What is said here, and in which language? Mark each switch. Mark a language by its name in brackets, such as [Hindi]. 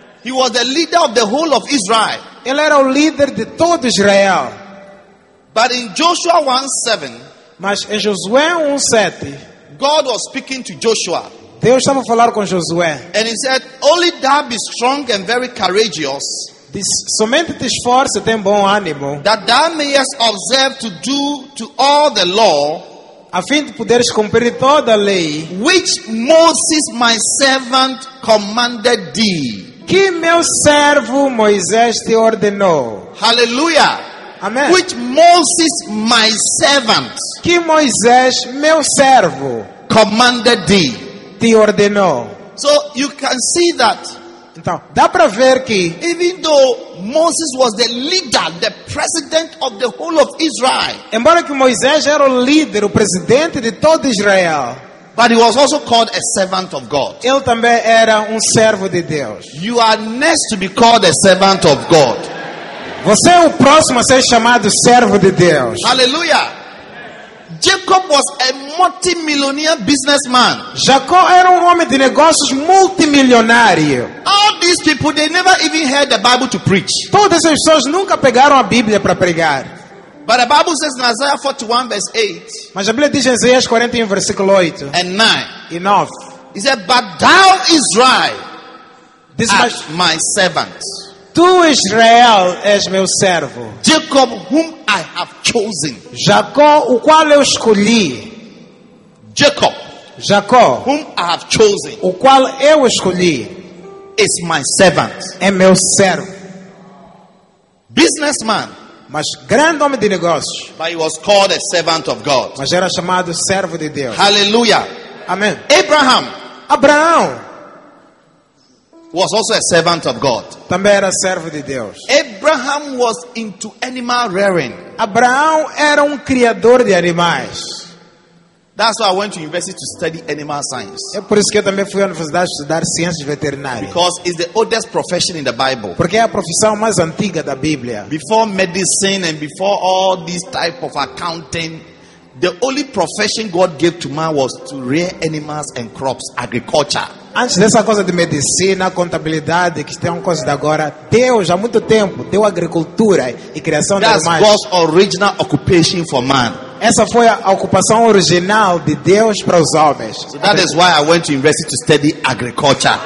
[English] He was the leader of the whole of Israel. [Portuguese] Ele era o líder de todo Israel. [English] But in Joshua 1:7, [Portuguese] mas em Josué 1:7, [English] God was speaking to Joshua. [Portuguese] Deus estava a falar com Josué. [English] And he said, only thou be strong and very courageous. [Portuguese] Diz, somente te esforce e tem bom ânimo. [English] That thou mayest observe to do to all the law. [Portuguese] A fim de poderes cumprir toda a lei. [English] Which Moses my servant commanded thee. [Portuguese] Que meu servo Moisés te ordenou. [English] Hallelujah. [Portuguese] Amém. [English] Which Moses, my servant, [Portuguese] que Moisés, meu servo, [English] commanded thee, [Portuguese] te ordenou. [English] So you can see that. [Portuguese] Então, dá para ver que, [English] even though Moses was the leader, the president of the whole of Israel, [Portuguese] embora que Moisés era o líder, o presidente de todo Israel, [English] but he was also called a servant of God. [Portuguese] Ele também era servo de Deus. [English] You are next to be called a servant of God. [Portuguese] Você é o próximo a ser chamado servo de Deus. [English] Hallelujah. Jacob was a multimillionaire businessman. [Portuguese] Jacó era homem de negócios multimilionário. [English] All these people, they never even heard the Bible to preach. [Portuguese] Todas essas pessoas nunca pegaram a Bíblia para pregar. [English] But the Bible says in Isaiah 41 verse 8. [Portuguese] Mas a Bíblia diz em Isaías 41 versículo 8. [English] And 9. Enough. He said, "But thou Israel, this is my servant." [Portuguese] Tu, Israel, és meu servo. [English] Jacob, whom I have chosen. [Portuguese] Jacó, o qual eu escolhi. [English] Jacob. [Portuguese] Jacó. [English] Whom I have chosen. [Portuguese] O qual eu escolhi. [English] Is my servant. [Portuguese] É meu servo. [English] Businessman. [Portuguese] Mas grande homem de negócios. [English] But he was called a servant of God. [Portuguese] Mas era chamado servo de Deus. [English] Hallelujah. [Portuguese] Amém. [English] Abraham. [Portuguese] Abraão. [English] Was also a servant of God. [Portuguese] Também era servo de Deus. [English] Abraham was into animal rearing. [Portuguese] Abraão era criador de animais. [English] That's why I went to university to study animal science. [Portuguese] É por isso que eu também fui à universidade estudar ciências veterinárias. [English] Because it's the oldest profession in the Bible. [Portuguese] Porque é a profissão mais antiga da Bíblia. [English] Before medicine and before all this type of accounting, the only profession God gave to man was to rear animals and crops, agriculture. [Portuguese] Antes dessa coisa de medicina, contabilidade, que tem uma coisa de agora, Deus há muito tempo deu agricultura e criação de animais. [English] That's God's original occupation for man. [Portuguese] Essa foi a ocupação original de Deus para os homens. [English] So that is why I went to university to study agriculture.